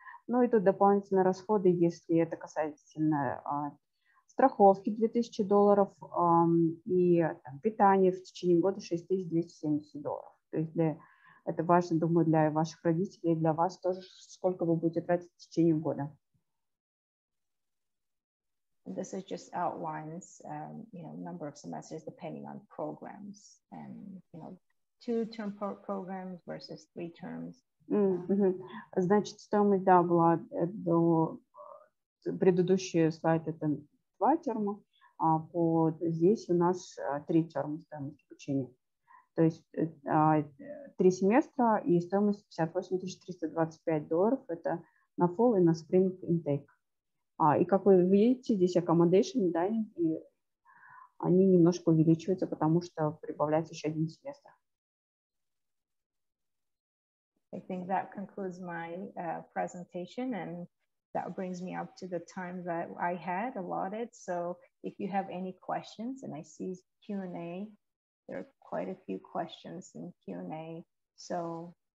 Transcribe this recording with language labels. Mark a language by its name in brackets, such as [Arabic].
[Russian] Ну и тут дополнительные расходы, если это касательно страховки 2000 долларов и там, питание в течение года 6 270 долларов. То есть для... Это важно, думаю, для ваших родителей, для вас тоже, сколько вы будете тратить в течение года. [English] This is just outlines, you know, number of semesters depending on programs and, you know, two-term programs versus three terms. [Russian] Значит, стоимость, да, была до предыдущего слайда, это два терма, а по здесь у нас три терма стоимость обучения. То есть три семестра и стоимость 58 325 долларов. Это на fall и на spring intake. И как вы видите, здесь accommodation, да, и они немножко увеличиваются, потому что прибавляется еще один семестр. [English] I think that concludes my presentation, and that brings me up to the time that I had allotted. So if you have any questions, and I see Q&A, there are quite a few questions in Q&A. So,